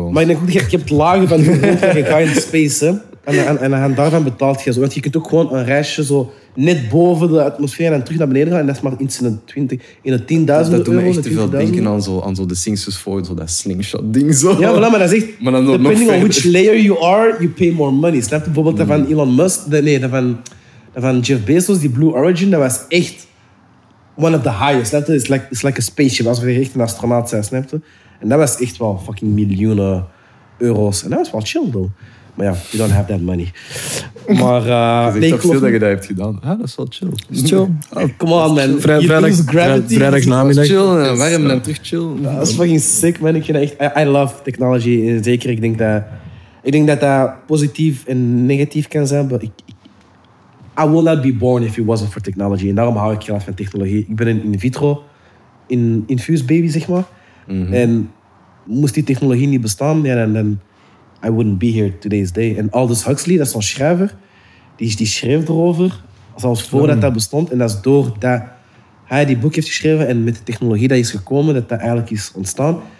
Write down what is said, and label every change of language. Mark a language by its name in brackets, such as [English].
[Dutch] Maar ik denk ook, je hebt lagen van hoe je gaat in de space, hè. En daarvan betaalt je zo. Want je kunt ook gewoon een reisje zo net boven de atmosfeer en terug naar beneden gaan. En dat is maar iets in de 10.000 euro. Dat doet me echt te veel denken aan zo de Sphinx's Fort, zo dat slingshot ding zo. Ja, maar dat is echt... Maar dan [English] depending on which layer you are, you pay more money. [Dutch] Snap je bijvoorbeeld dat van Elon Musk? Dat van Jeff Bezos, die Blue Origin, dat was echt [English] one of the highest. [Dutch] Snap je? [English] It's like a spaceship, [Dutch] als we echt een astronaut zijn, snap je? En dat was echt wel fucking miljoenen euro's. En dat was wel chill, though. Maar ja, [English] you don't have that money. [Dutch] Maar je ziet toch veel dat je dat hebt gedaan. Ah, dat is wel chill. Chill. [English] Oh, come on, man. [Dutch] Vrijdag namiddag. Chill, warm en terug chill. Dat is fucking sick, man. Ik vind echt, [English] I love technology. [Dutch] Zeker, ik denk dat positief en negatief kan zijn. [English] But I will not be born if it wasn't for technology. [Dutch] En daarom hou ik graag van technologie. Ik ben een in vitro, in infused baby, zeg maar. Mm-hmm. En moest die technologie niet bestaan, ja, dan [English] I wouldn't be here today's day. [Dutch] En Aldous Huxley, dat is een schrijver, die schreef erover, zelfs voordat dat bestond. En dat is doordat hij die boek heeft geschreven en met de technologie die is gekomen, dat eigenlijk is ontstaan.